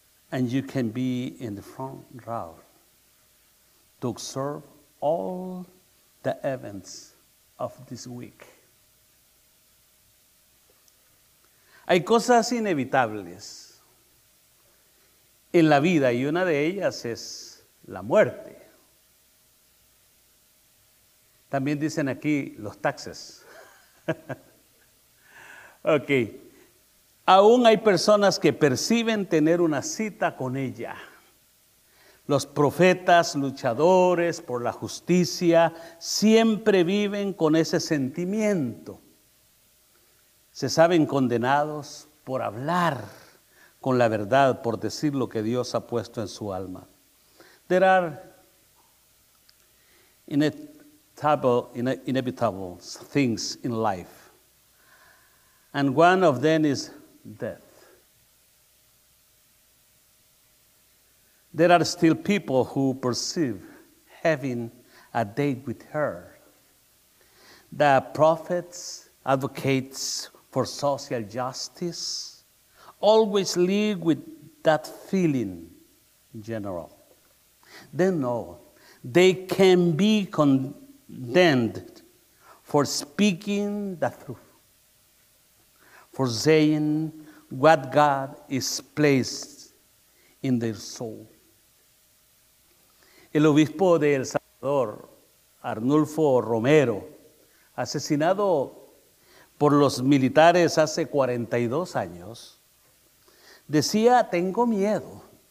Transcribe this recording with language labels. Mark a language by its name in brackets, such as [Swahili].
[English] And you can be in the front row to observe all the events of this week. [Spanish] Hay cosas inevitables en la vida y una de ellas es la muerte. También dicen aquí los taxes. Ok. Aún hay personas que perciben tener una cita con ella. Los profetas, luchadores por la justicia, siempre viven con ese sentimiento. Se saben condenados por hablar con la verdad, por decir lo que Dios ha puesto en su alma. [English] There are in it. Inevitable things in life, and one of them is death. There are still people who perceive having a date with her. The prophets, advocates for social justice, always live with that feeling in general. They know they can be condemned for speaking the truth, for saying what God is placed in their soul. [Spanish] El obispo de El Salvador, Arnulfo Romero, asesinado por los militares hace 42 años, decía, tengo miedo.